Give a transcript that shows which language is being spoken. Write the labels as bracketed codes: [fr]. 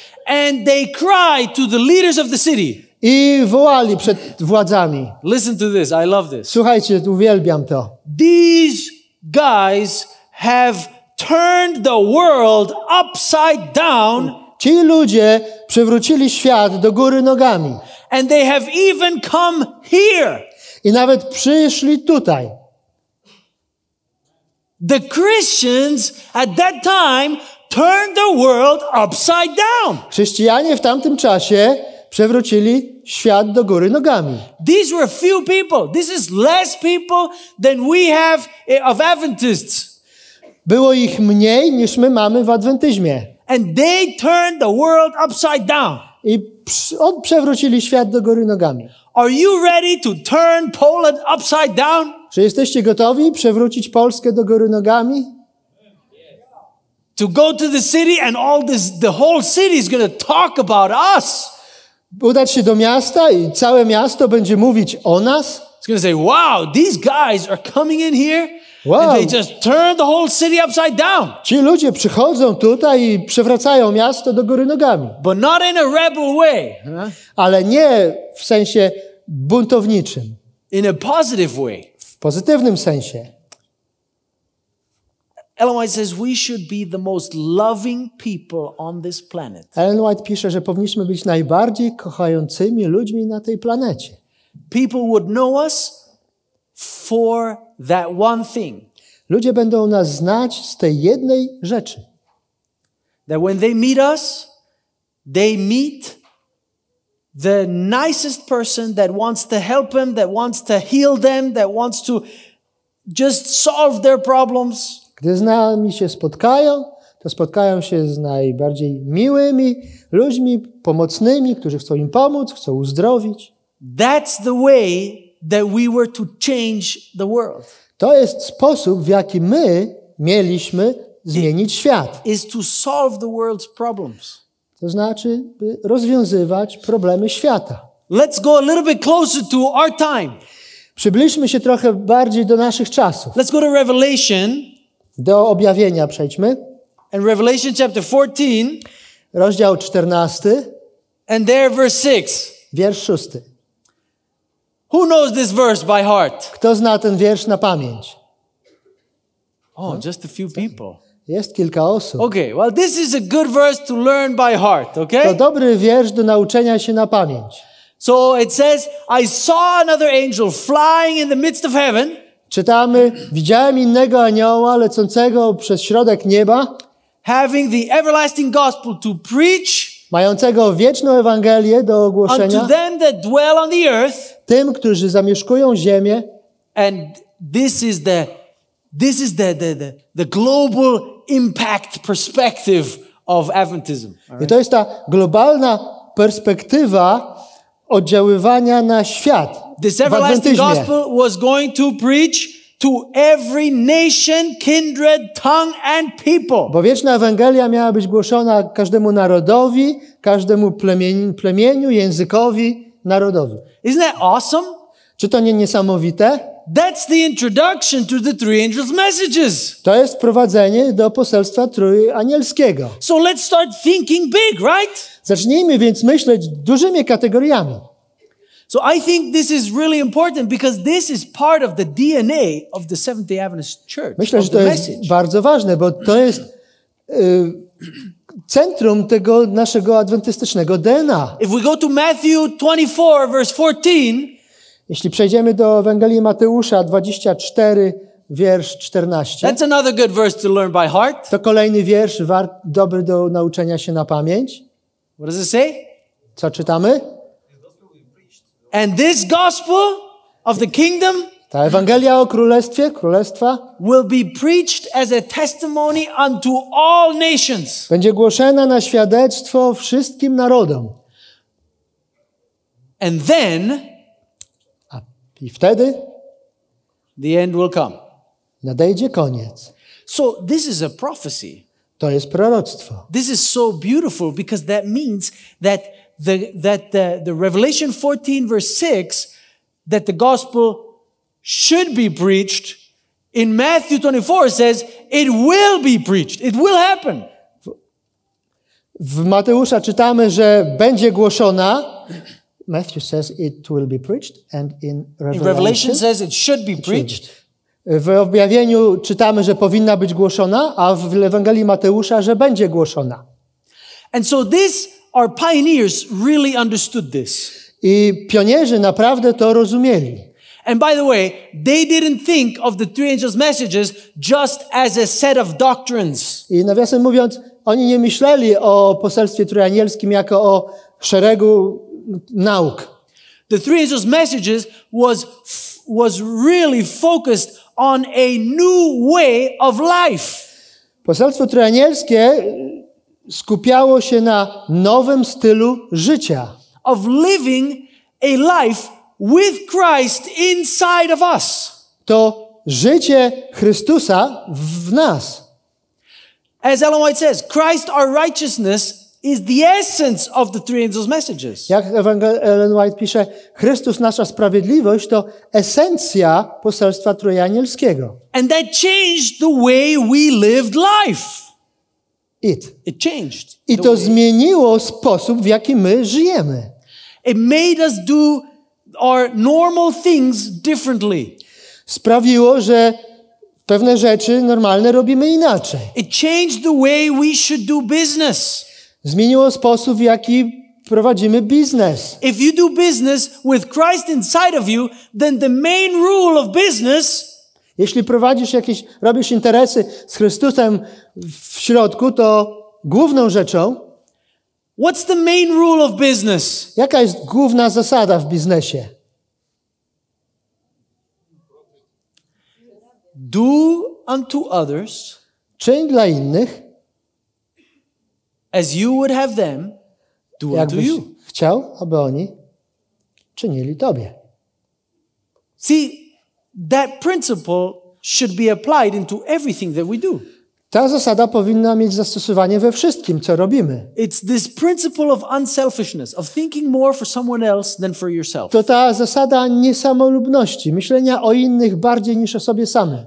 [en] And they cried to the leaders of the city. [pl] I wołali przed władzami. [en] Listen to this, I love this. [pl] Słuchajcie, uwielbiam to. [en] These guys have turned the world upside down. [pl] Ci ludzie przewrócili świat do góry nogami. [en] And they have even come here. [pl] I nawet przyszli tutaj. [en] The Christians at that time turned the world upside down. [pl] Chrześcijanie w tamtym czasie przewrócili świat do góry nogami. [en] These were few people. This is less people than we have of Adventists. [pl] Było ich mniej niż my mamy w adwentyzmie. [en] And they turned the world upside down. [pl] I przewrócili świat do góry nogami. [en] Are you ready to turn Poland upside down? [pl] Czy jesteście gotowi przewrócić Polskę do góry nogami? [en] To go to the city and all this, the whole city is going to talk about us. [pl] Udać się do miasta i całe miasto będzie mówić o nas. [en] It's going to say, wow, these guys are coming in here. Wow. And they just turned the whole city upside down. [pl] Ci ludzie przychodzą tutaj i przewracają miasto do góry nogami. [en] But not in a rebel way. Huh? [pl] Ale nie w sensie buntowniczym. [en] in a positive way. [pl] W pozytywnym sensie. [en] Ellen White says we should be the most loving people on this planet. [pl] Ellen White pisze, że powinniśmy być najbardziej kochającymi ludźmi na tej planecie. [en] People would know us for that one thing. [pl] Ludzie będą nas znać z tej jednej rzeczy. [en] That when they meet us, they meet the nicest person that wants to help them, that wants to heal them, that wants to just solve their problems. [pl] Gdy z nami się spotkają, to spotkają się z najbardziej miłymi ludźmi, pomocnymi, którzy chcą im pomóc, chcą uzdrowić. [en] That's the way that we were to change the world. [pl] To jest sposób, w jaki my mieliśmy zmienić świat. [en] Is to solve the world's problems. [pl] To znaczy rozwiązywać problemy świata. [en] Let's go a little bit closer to our time. [pl] Przybliżmy się trochę bardziej do naszych czasów. [en] Let's go to Revelation. [pl] Do objawienia przejdźmy. [en] And Revelation chapter 14. [pl] Rozdział 14. [en] And there verse 6. [pl] Wiersz 6. [en] Who knows this verse by heart? [pl] Kto zna ten wiersz na pamięć? [en] Oh, just a few people. [pl] Jest kilka osób. [en] Okay, well this is a good verse to learn by heart, okay? [pl] To dobry wiersz do nauczenia się na pamięć. [en] So it says, I saw another angel flying in the midst of heaven. [pl] Czytamy, widziałem innego anioła lecącego przez środek nieba. [en] Having the everlasting gospel to preach. [pl] Mającego wieczną Ewangelię do ogłoszenia. [en] Unto them that dwell on the earth. [pl] Tym, którzy zamieszkują ziemię. [en] And this is the global impact perspective of Adventism. [pl] I to jest ta globalna perspektywa oddziaływania na świat. [en] This everlasting gospel was going to preach to every nation, kindred, tongue and people. [pl] Bo wieczna Ewangelia miała być głoszona każdemu narodowi, każdemu plemieniu, językowi, narodowi. [en] Isn't that awesome? [pl] Czy to nie niesamowite? [en] That's the introduction to the three angels' messages. [pl] To jest wprowadzenie do poselstwa trójanielskiego. [en] So let's start thinking big, right? [pl] Zacznijmy więc myśleć dużymi kategoriami. [en] So I think this is really important because this is part of the DNA of the Seventh-day Adventist Church. [pl] Myślę, że to jest bardzo ważne, bo to jest centrum tego naszego adwentystycznego DNA. [en] If we go to Matthew 24 verse 14, [pl] jeśli przejdziemy do Ewangelii Mateusza 24, wiersz 14. [en] That's another good verse to learn by heart. [pl] To kolejny wiersz dobry do nauczenia się na pamięć. [en] What does it say? [pl] Co czytamy? [en] And this gospel of the kingdom, [pl] ta Ewangelia o królestwie, królestwa, [en] will be preached as a testimony unto all nations. [pl] Będzie głoszona na świadectwo wszystkim narodom. [en] And then, [pl] i wtedy [en] the end will come. [pl] Nadejdzie koniec. [en] So this is a prophecy. [pl] To jest proroctwo. [en] This is so beautiful because that means that the Revelation 14 verse 6 that the gospel should be preached in Matthew 24 says it will be preached. It will happen. [pl] W Mateusza czytamy, że będzie głoszona. [en] Matthew says it will be preached and in Revelation says it should be preached. [pl] W objawieniu czytamy, że powinna być głoszona, a w Ewangelii Mateusza, że będzie głoszona. [en] And so this our pioneers really understood this. [pl] I pionierzy naprawdę to rozumieli. [en] And by the way, they didn't think of the three angels' messages just as a set of doctrines. [pl] I nawiasem mówiąc, oni nie myśleli o poselstwie trójanielskim jako o szeregu nauk. [en] The three angels' messages was really focused on a new way of life. [pl] Poselstwo trójanielskie skupiało się na nowym stylu życia. [en] Of living a life with Christ inside of us. [pl] To życie Chrystusa w nas. [en] As Ellen White says, Christ our righteousness is the essence of the three angels' messages. [pl] Jak Ellen White pisze, Chrystus nasza sprawiedliwość to esencja poselstwa trójanielskiego. [en] And that changed the way we lived life. It changed. [pl] I to zmieniło sposób, w jaki my żyjemy. [en] It made us do our normal things differently. [pl] Sprawiło, że pewne rzeczy normalne robimy inaczej. [en] It changed the way we should do business. [pl] Zmieniło sposób, w jaki prowadzimy biznes. [en] If you do business with Christ inside of you, then the main rule of business. [pl] Jeśli prowadzisz jakieś, robisz interesy z Chrystusem w środku, to główną rzeczą. [en] What's the main rule of business? [pl] Jaka jest główna zasada w biznesie? [en] Do unto others. [pl] Czyń dla innych. [en] As you would have them do unto you. [pl] Jakbyś chciał, aby oni czynili tobie. [en] See, that principle should be applied into everything that we do. [pl] Ta zasada powinna mieć zastosowanie we wszystkim, co robimy. [en] It's this principle of unselfishness, of thinking more for someone else than for yourself. [pl] To ta zasada niesamolubności, myślenia o innych bardziej niż o sobie samym.